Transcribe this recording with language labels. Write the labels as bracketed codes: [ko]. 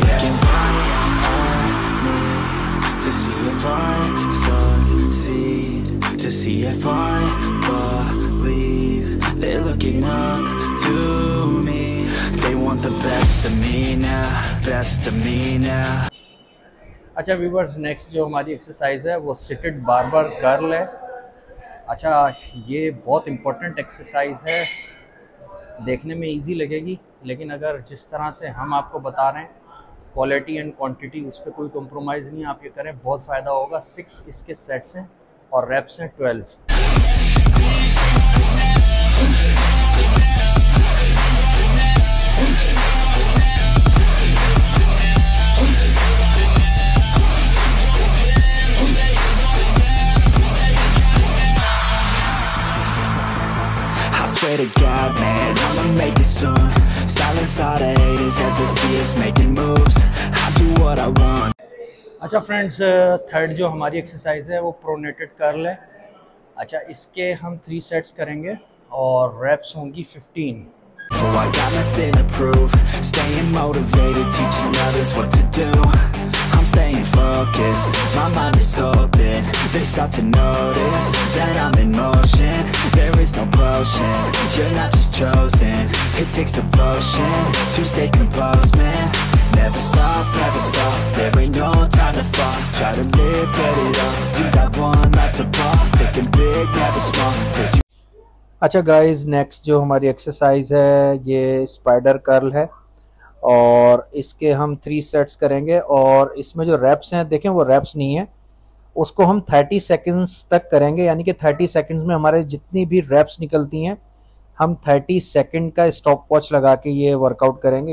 [en] Looking right at me to see if I succeed, to see if I believe. They're looking up to me. They want the best of me now, best of me now. [hi] अच्छा viewers, next जो हमारी exercise है वो seated barber curl है। अच्छा, ये बहुत important exercise है, देखने में इजी लगेगी, लेकिन अगर जिस तरह से हम आपको बता रहे हैं, क्वालिटी एंड क्वांटिटी उस पर कोई कॉम्प्रोमाइज़ नहीं, आप ये करें, बहुत फ़ायदा होगा। 6 इसके सेट्स हैं और रैप्स हैं 12। [en] To God, man, I'ma make it soon. Silence all the haters as they see us making moves. I do what I want. [hi] अच्छा फ्रेंड्स, थर्ड जो हमारी एक्सरसाइज है वो प्रोनेटेड कर्ल है। अच्छा, इसके हम 3 सेट्स करेंगे और रैप्स होंगी 15। [en] So I got nothing to prove. Staying motivated, teaching others what to do. I'm staying focused, my mind is open. They start to notice that I'm in motion. There is no potion, you're not just chosen. It takes devotion to stay composed, man. Never stop, never stop, there ain't no time to fall. Try to live, get it up, you got one life to pop. Thinking big, never small, cause you. [hi] अच्छा guys, next जो हमारी exercise है ये spider curl है और इसके हम 3 sets करेंगे और इसमें जो रैप्स हैं, देखें वो रैप्स नहीं है, उसको हम 30 सेकंड्स तक करेंगे, यानी कि 30 सेकंड्स में हमारे जितनी भी रैप्स निकलती हैं हम 30 सेकंड का स्टॉप वॉच लगा के ये वर्कआउट करेंगे।